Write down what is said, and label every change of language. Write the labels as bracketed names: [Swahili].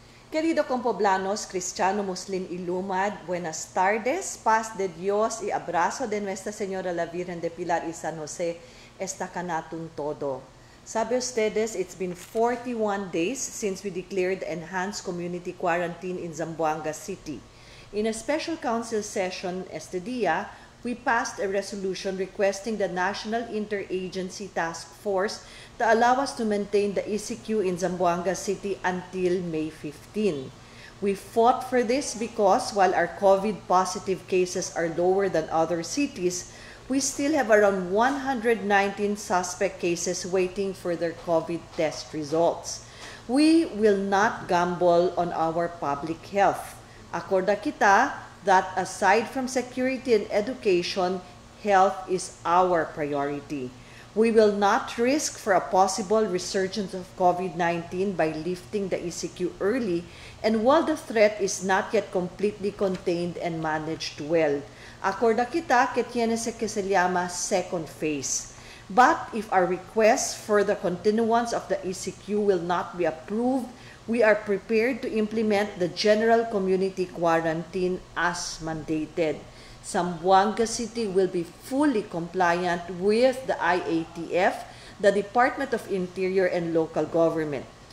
[Chavacano] Querido compoblanos, cristiano, muslim, ilumad, buenas tardes, paz de Dios y abrazo de Nuestra Señora la Virgen de Pilar y San José, esta canatun todo. Sabe ustedes, [English] it's been 41 days since we declared enhanced community quarantine in Zamboanga City. In a special council session [Chavacano] este día, [English] we passed a resolution requesting the National Interagency Task Force to allow us to maintain the ECQ in Zamboanga City until May 15. We fought for this because while our COVID positive cases are lower than other cities, we still have around 119 suspect cases waiting for their COVID test results. We will not gamble on our public health. [Chavacano] Acorda kita [English] that aside from security and education, health is our priority. We will not risk for a possible resurgence of COVID-19 by lifting the ECQ early and while the threat is not yet completely contained and managed well. [Chavacano] Acorda kita que tiene se que se llama [English] second phase. But if our request for the continuance of the ECQ will not be approved, we are prepared to implement the general community quarantine as mandated. Zamboanga City will be fully compliant with the IATF, the Department of Interior and Local Government.